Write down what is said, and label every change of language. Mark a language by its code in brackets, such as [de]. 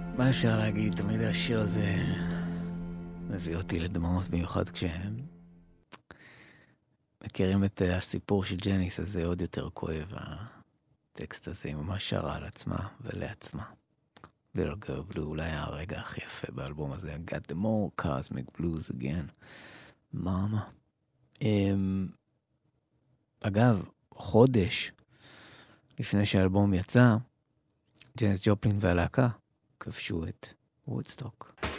[he] אפשר להגיד, תמיד השיר הזה מביא אותי לדמעות, במיוחד כשהם מכירים את הסיפור של ג'ניס, אז זה עוד יותר כואב, הטקסט הזה, עם מה שרה על עצמה ולעצמה. [en] Little Girl Blue, [he] אולי הרגע הכי יפה באלבום הזה, [en] I got the more cosmic blues again, mama. [he] אגב, חודש לפני שהאלבום יצא, ג'ניס ג'ופלין והלהקה כבשו את וודסטוק.